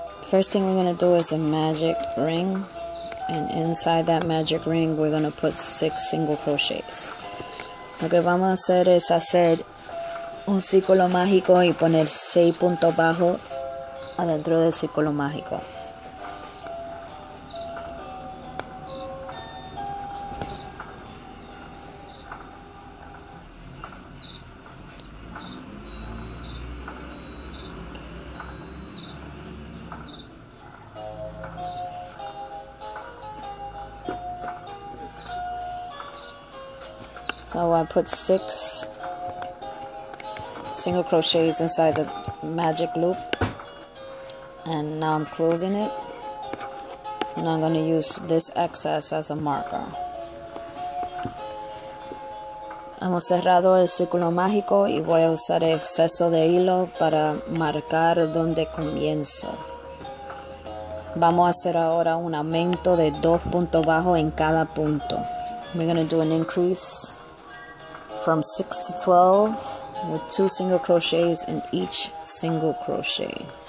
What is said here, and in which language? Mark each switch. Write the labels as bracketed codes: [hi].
[en] First thing we're going to do is a magic ring, and inside that magic ring we're going to put 6 single crochets. [es] Lo que vamos a hacer es hacer un círculo mágico y poner 6 puntos bajos adentro del círculo mágico. [en] So I put 6 single crochets inside the magic loop, and now I'm closing it, and I'm going to use this excess as a marker. [es] Hemos cerrado el círculo mágico y voy a usar exceso de hilo para marcar donde comienzo. Vamos a hacer ahora un aumento de 2 puntos bajos en cada punto. [en] We're going to do an increase from 6 to 12 with 2 single crochets in each single crochet.